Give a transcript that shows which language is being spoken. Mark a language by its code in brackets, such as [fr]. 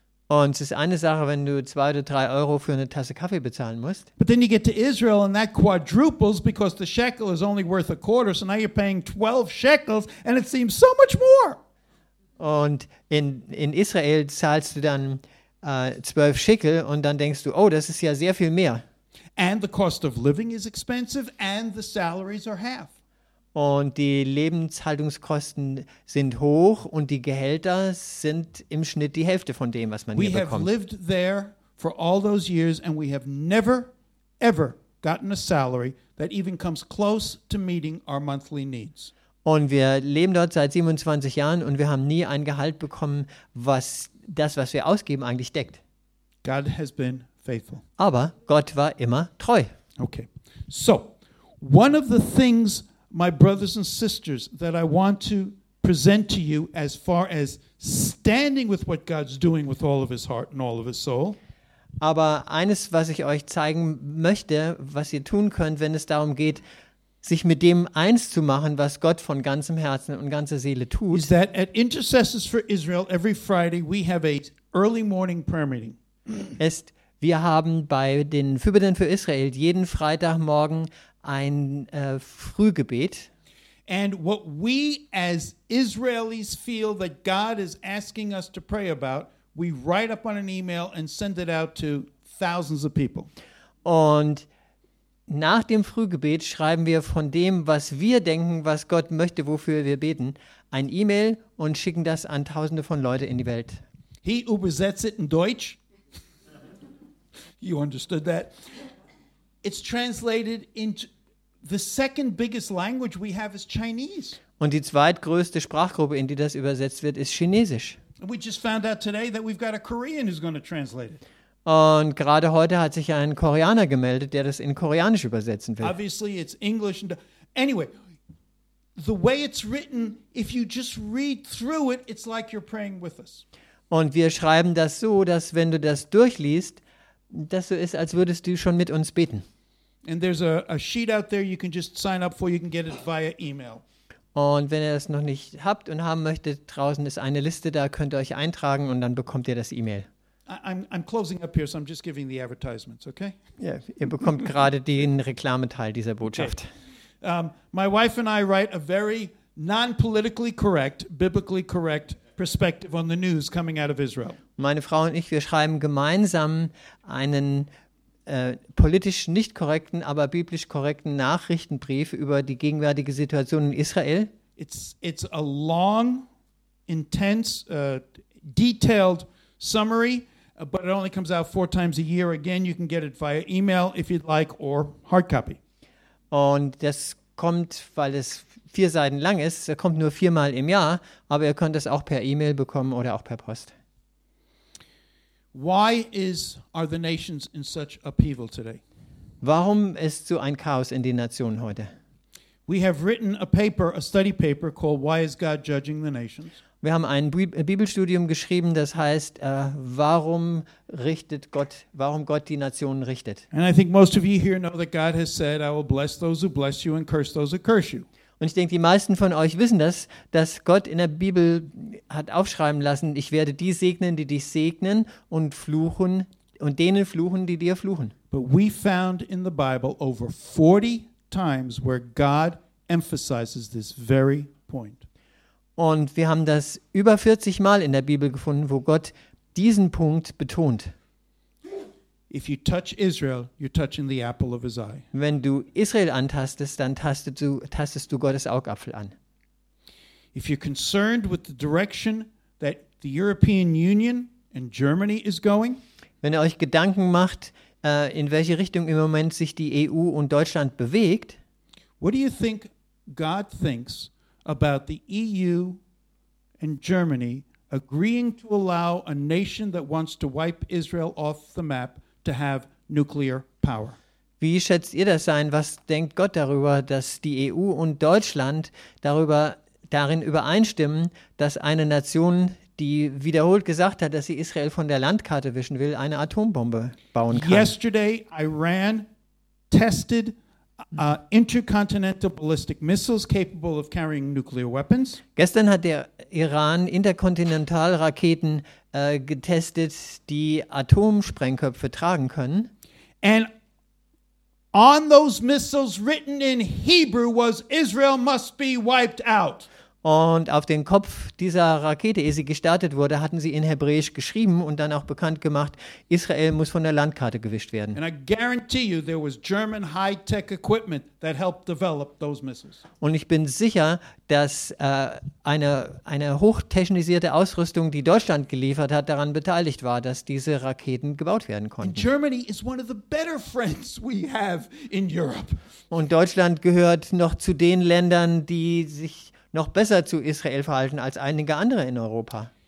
[de] Und es ist eine Sache, wenn du 2 oder 3 Euro für eine Tasse Kaffee bezahlen musst. [en] But then you get to Israel and that quadruples because the shekel is only worth a quarter, so now you're paying 12 shekels and it seems so much more. [de] Und in Israel zahlst du dann 12 Shekel und dann denkst du, oh, das ist ja sehr viel mehr. [en] And the cost of living is expensive and the salaries are half. [de] Und die Lebenshaltungskosten sind hoch und die Gehälter sind im Schnitt die Hälfte von dem, was man hier bekommt. [en] We have lived there for all those years and we have never, ever gotten a salary that even comes close to meeting our monthly needs. [de] Und wir leben dort seit 27 Jahren und wir haben nie ein Gehalt bekommen, was das, was wir ausgeben, eigentlich deckt. [en] God has been faithful. [de] Aber Gott war immer treu. [en] Okay, so one of the things, my brothers and sisters, that I want to present to you as far as standing with what God's doing with all of his heart and all of his soul. [de] Aber eines, was ich euch zeigen möchte, was ihr tun könnt, wenn es darum geht, sich mit dem eins zu machen, was Gott von ganzem Herzen und ganzer Seele tut. [en] Is that at Intercessors for Israel every Friday we have a early morning prayer meeting. [de] Ist, wir haben bei den Fürbitten für Israel jeden Freitagmorgen ein Frühgebet. [en] And what we as Israelis feel that God is asking us to pray about, we write up on an email and send it out to thousands of people. [de] Und nach dem Frühgebet schreiben wir von dem, was wir denken, was Gott möchte, wofür wir beten, ein E-Mail und schicken das an tausende von Leute in die Welt. [en] He [de] übersetzt [en] it in Deutsch. You understood that. It's translated into the second biggest language we have is Chinese. [de] Und die zweitgrößte Sprachgruppe, in die das übersetzt wird, ist Chinesisch. [en] We just found out today that we've got a Korean who's going to translate it. [de] Und gerade heute hat sich ein Koreaner gemeldet, der das in Koreanisch übersetzen will. [en] Obviously it's English. Anyway, the way it's written, if you just read through it, it's like you're praying with us. [de] Und wir schreiben das so, dass wenn du das durchliest, das so ist, als würdest du schon mit uns beten. [en] And there's a sheet out there you can just sign up for, you can get it via email. [de] Und wenn ihr das noch nicht habt und haben möchtet, draußen ist eine Liste, da könnt ihr euch eintragen und dann bekommt ihr das E-Mail. [en] I'm closing up here, so I'm just giving the advertisements, okay? [de] Yeah, ihr bekommt gerade den Reklameteil dieser Botschaft. [en] Okay. My wife and I write a very non-politically correct, biblically correct perspective on the news coming out of Israel. [de] Meine Frau und ich, wir schreiben gemeinsam einen politisch nicht korrekten, aber biblisch korrekten Nachrichtenbrief über die gegenwärtige Situation in Israel. [en] It's a long, intense, detailed summary, but it only comes out 4 times a year. Again, you can get it via email if you'd like or hard copy. [de] Und das kommt, weil es 4 Seiten lang ist, es kommt nur 4-mal im Jahr, aber ihr könnt es auch per E-Mail bekommen oder auch per Post. [en] Why are the nations in such upheaval today? [de] Warum ist so ein Chaos in den Nationen heute? [en] We have written a paper, a study paper called Why is God Judging the Nations? [de] Wir haben ein Bibelstudium geschrieben, das heißt, warum Gott die Nationen richtet. [en] And I think most of you here know that God has said, I will bless those who bless you and curse those who curse you. [de] Und ich denke, die meisten von euch wissen das, dass Gott in der Bibel hat aufschreiben lassen, ich werde die segnen, die dich segnen und fluchen und denen fluchen, die dir fluchen. [en] But we found in the Bible over 40 times where God emphasizes this very point. [de] Und wir haben das über 40 Mal in der Bibel gefunden, wo Gott diesen Punkt betont. [en] If you touch Israel, you're touching the apple of his eye. [de] Wenn du Israel antastest, dann tastest du Gottes Augapfel an. [en] If you're concerned with the direction that the European Union and Germany is going, [de] wenn ihr euch Gedanken macht, in welche Richtung im Moment sich die EU und Deutschland bewegt, [en] what do you think God thinks about the EU and Germany agreeing to allow a nation that wants to wipe Israel off the map to have nuclear power? [de] Wie schätzt ihr das ein? Was denkt Gott darüber, dass die EU und Deutschland darin übereinstimmen, dass eine Nation, die wiederholt gesagt hat, dass sie Israel von der Landkarte wischen will, eine Atombombe bauen kann? [en] Yesterday, Iran tested intercontinental ballistic missiles capable of carrying nuclear weapons. [de] Gestern hat der Iran Interkontinentalraketen getestet, die Atomsprengköpfe tragen können. [en] And on those missiles written in Hebrew was Israel must be wiped out. [de] Und auf den Kopf dieser Rakete, ehe sie gestartet wurde, hatten sie in Hebräisch geschrieben und dann auch bekannt gemacht, Israel muss von der Landkarte gewischt werden. [en] And I guarantee you, there was German high-tech equipment that helped develop those missiles. [de] Und ich bin sicher, dass eine hochtechnisierte Ausrüstung, die Deutschland geliefert hat, daran beteiligt war, dass diese Raketen gebaut werden konnten. [en] And Germany is one of the better friends we have in Europe. [de] Und Deutschland gehört noch zu den Ländern, die sich noch besser zu Israel verhalten als einige andere in Europa.